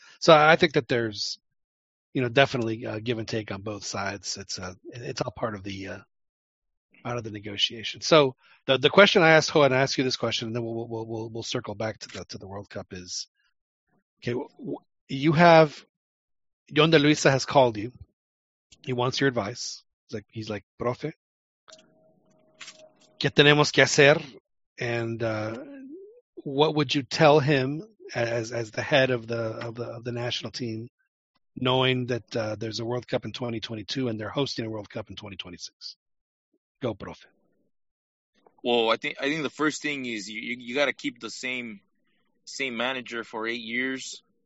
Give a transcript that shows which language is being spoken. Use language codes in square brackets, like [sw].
[en] So I think that there's, you know, definitely give and take on both sides. It's all part of the... out of the negotiation. So the question I asked Juan, I ask you this question, and then we'll circle back to the World Cup is, okay, you have John De Luisa has called you. He wants your advice. He's like, profe, [es] ¿qué tenemos que hacer? [en] And what would you tell him as the head of the national team, knowing that there's a World Cup in 2022 and they're hosting a World Cup in 2026? Go, profe. Well, I think the first thing is you got to keep the same manager for 8 years.